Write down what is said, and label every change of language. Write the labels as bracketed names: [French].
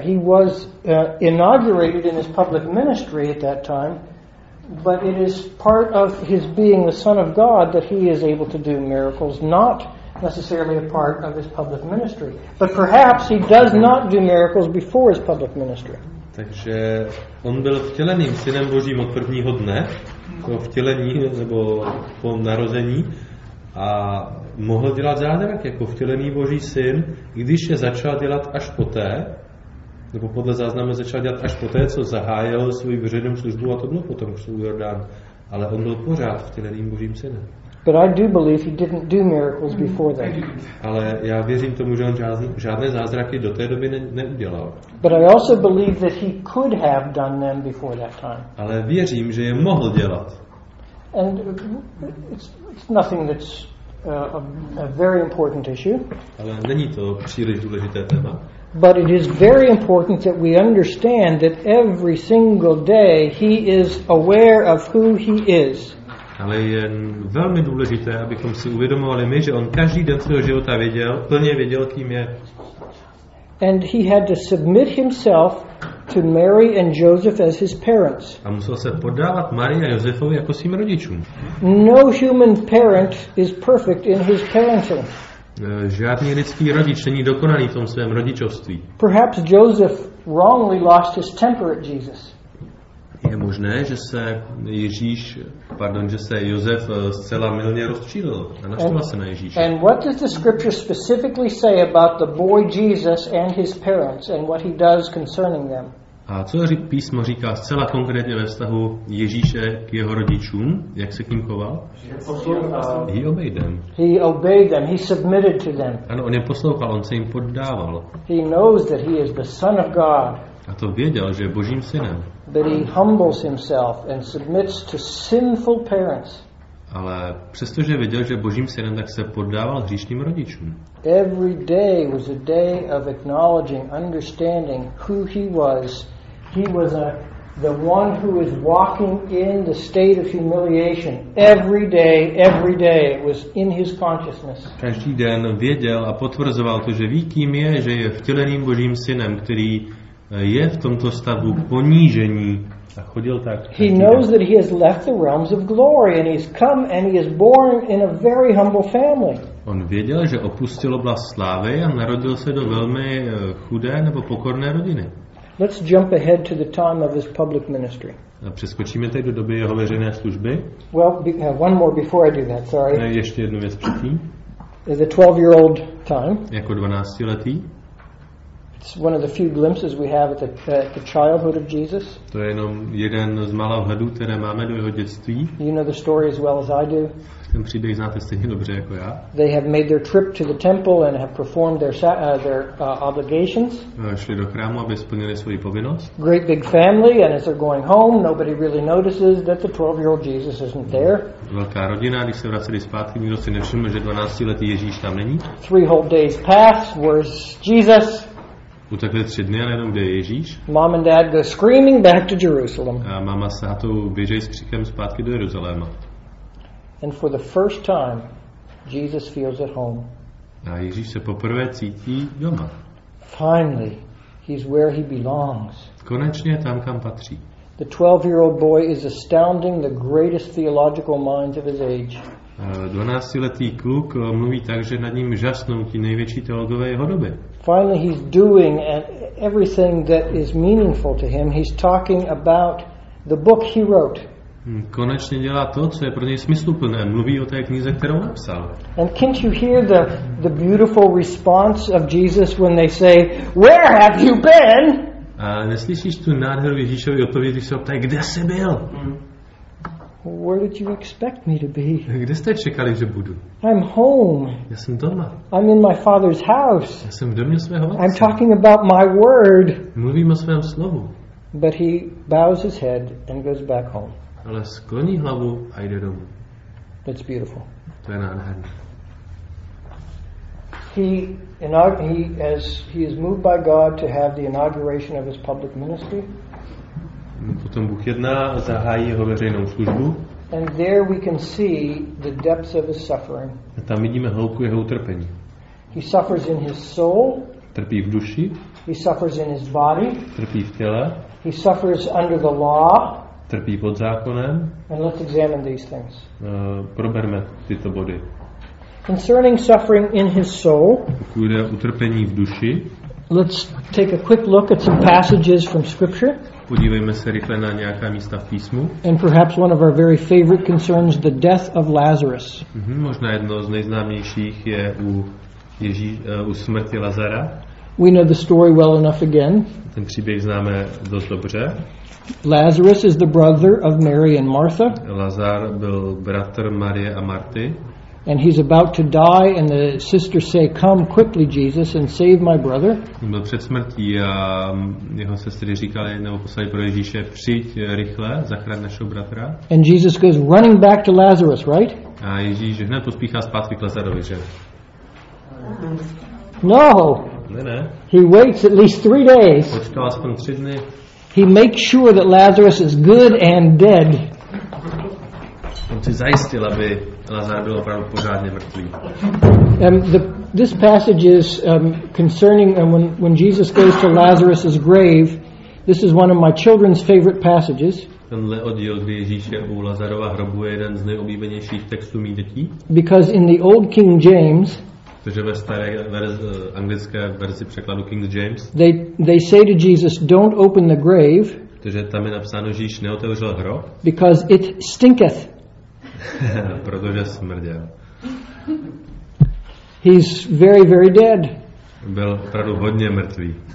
[English] He was inaugurated in his public ministry at that time, but it is part of his being the Son of God that he is able to do miracles, not necessarily a part of his public ministry. But perhaps he does not do miracles before his public ministry. [Czech] Takže on byl vtěleným Synem Božím od prvního dne, po vtělení nebo po narození, a mohl dělat zázrak jako vtělený Boží Syn, když je začal dělat až poté, nebo podle záznamu začal dělat až poté, co zahájil svůj veřejnou službu, a to bylo potom křtu Jordán. Ale on byl pořád vtěleným Božím Synem. [English] But I do believe he didn't do miracles before that. [Czech] Ale já věřím tomu, že on žádné zázraky do té doby neudělal. [English] But I also believe that he could have done them before that time. [Czech] Ale věřím, že je mohl dělat. [English] And it's nothing that's a very important issue. [Czech] Ale není to příliš důležité téma. [English] But it is very important that we understand that every single day he is aware of who he is. [Czech] Ale je velmi důležité, abychom si uvědomovali my, že on každý den svého života věděl, plně věděl, kým je. [English] And he had to submit himself to Mary and Joseph as his parents. [Czech] A musel se poddávat Marii a Josefovi jako svým rodičům. [English] No human parent is perfect in his parenting. [Czech] Žádný lidský rodič není dokonalý v tom svém rodičovství. [English] Perhaps Joseph wrongly lost his temper at Jesus. [Czech] Je možné, že se Ježíš, že se Josef zcela mylně rozčílil a naštval se na Ježíše. [English] And what does the scripture specifically say about the boy Jesus and his parents and what he does concerning them? [Czech] A co písmo říká zcela konkrétně ve vztahu Ježíše k jeho rodičům, jak se k ním choval? [English] He obeyed them. He obeyed them. He submitted to them. [Czech] Ano, on je poslouchal, on se jim poddával. [English] He knows that he is the Son of God. [Czech] A to věděl, že je Božím Synem. [English] But he humbles himself and submits to sinful parents. [Czech] Ale přestože věděl, že Božím Synem, tak se poddával hříšným rodičům. [English] Every day was a day of acknowledging, understanding who he was. He was the one who is walking in the state of humiliation. Every day was in his consciousness. [Czech] Každý den věděl a potvrzoval to, že ví, kým je, že je vtěleným Božím Synem, který je v tomto stavu ponížení a chodil tak. [English] He knows that he has left the realms of glory and he's come and he is born in a very humble family. [Czech] On věděl, že opustil oblast slávy a narodil se do velmi chudé nebo pokorné rodiny. [English] Let's jump ahead to the time of his public ministry. [Czech] A přeskočíme teď do doby jeho veřejné služby. [English] Well, one more before I do that, sorry. [Czech] Ne, ještě jednu věc předtím. [English] Is a 12-year-old time. [Czech] Jako 12letý. [English] It's one of the few glimpses we have at the childhood of Jesus. [Czech] To je jenom jeden z mála vhledů, které máme do jeho dětství. [English] You know the story as well as I do. [Czech] Ten příběh znáte stejně dobře jako já. [English] They have made their trip to the temple and have performed their obligations. [Czech] Šli do chrámu, aby splnili svoji povinnost. [English] Great big family, and as they're going home, nobody really notices that the 12-year-old Jesus isn't there. [Czech] Velká rodina, když se vraceli zpátky, nikdo si nevšiml, že 12-letý Ježíš tam není. [English] Three whole days pass, where's Jesus? [Czech] Utekli tři dny, ale jenom kde je Ježíš. [English] Mom and dad go screaming back to Jerusalem. [Czech] A máma s tátou běžej s křikem zpátky do Jeruzaléma. [English] And for the first time, Jesus feels at home. [Czech] A Ježíš se poprvé cítí doma. [English] Finally, he's where he belongs. [Czech] Konečně tam, kam patří. [English] The 12-year-old boy is astounding the greatest theological minds of his age. [Czech] 12-letý kluk mluví tak, že nad ním žasnou ti největší teologové jeho doby. [English] Finally he's doing everything that is meaningful to him. He's talking about the book he wrote. [Czech] Konečně dělá to, co je pro něj smysluplné. Mluví o té knize, kterou napsal. [English] And can't you hear the beautiful response of Jesus when they say, "Where have you been?" [Czech] A neslyšíš tu nádheru Ježíšovy odpovědi, když se ho ptají, kde jsi byl? [English] Where did you expect me to be? [Czech] Kde jste čekali, že budu? [English] I'm home. [Czech] Já jsem doma. [English] I'm in my father's house. [Czech] Já jsem v domě svého otce. [English] I'm talking about my word. [Czech] Mluvím o svém slovu. [English] But he bows his head and goes back home. [Czech] Ale skloní hlavu a jde domů. [English] That's beautiful. [Czech] To je nádherné. [English] he is moved by God to have the inauguration of his public ministry. [Czech] Potom Bůh jedná a zahájí jeho veřejnou službu. [English] And there we can see the depths of his suffering. [Czech] A tam vidíme hloubku jeho utrpení. [English] He suffers in his soul. [Czech] Trpí v duši. [English] He suffers in his body. [Czech] Trpí v těle. [English] He suffers under the law. [Czech] Trpí pod zákonem. [English] And let's examine these things. [Czech] Proberme tyto body. [English] Concerning suffering in his soul. [Czech] Pokud jde o utrpení v duši. [English] Let's take a quick look at some passages from scripture. [Czech] Podívejme se rychle na nějaká místa v písmu. [English] And perhaps one of our very favorite concerns, the death of Lazarus. [Czech] Možná jedno z nejznámějších je u u smrti Lazara. [English] We know the story well enough again. [Czech] Ten příběh známe dost dobře. [English] Lazarus is the brother of Mary and Martha. [Czech] Lazar byl bratr Marie a Marty. [English] And he's about to die and the sisters say, come quickly Jesus and save my brother. [Czech] On byl před smrtí a jeho sestry říkali, nebo poslali pro Ježíše, přijď rychle, zachraň našeho bratra. [English] And Jesus goes running back to Lazarus, right? [Czech] A Ježíš hned pospíchá zpátky k Lazarovi, že? [English] No. [Czech] Ne. [English] He waits at least 3 days. [Czech] Počkal aspoň 3 dny. [English] He makes sure that Lazarus is good and dead. [Czech] On si zajistil, aby Lazar byl opravdu pořádně mrtvý. [English] This passage is concerning when Jesus goes to Lazarus's grave. This is one of my children's favorite passages. [Czech] Tenhle oddíl, kdy Ježíš je u Lazarova hrobu, je jeden z nejoblíbenějších textů mých dětí. [English] Because in the old King James. [Czech] Protože ve staré anglické verzi překladu King James. [English] They say to Jesus, don't open the grave. [Czech] Protože tam je napsáno, že Ježíš neotevřel hrob. [English] Because it stinketh. [Czech] Protože smrděl. [English] He's very, very dead. [Czech] Byl opravdu hodně mrtvý.